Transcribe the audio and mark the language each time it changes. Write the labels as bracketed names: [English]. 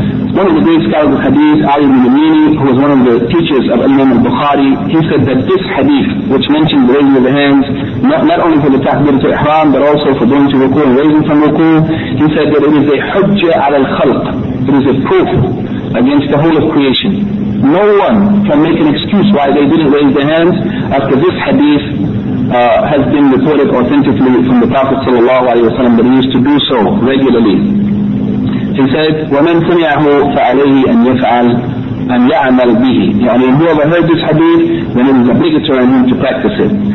[English] One of the great scholars of hadith, Ali ibn Yamini, who was one of the teachers of Imam al-Bukhari, he said that this hadith, which mentions the raising of the hands, not only for the takbiratul ihram, but also for going to ruku and raising from ruku, he said that it is a hujjah ala al-khalq. It is a proof against the whole of creation. No one can make an excuse why they didn't raise their hands after this hadith has been reported authentically from the Prophet sallallahu alaihi wasallam that he used to do so regularly. He said, [Arabic] وَمَنْ سَمِعَهُ فَعَلَيْهِ أَنْ يَفْعَلْ أَنْ يَعْمَلْ بِهِ. [English] يعني whoever heard this hadith, then it is obligatory on him to practice it.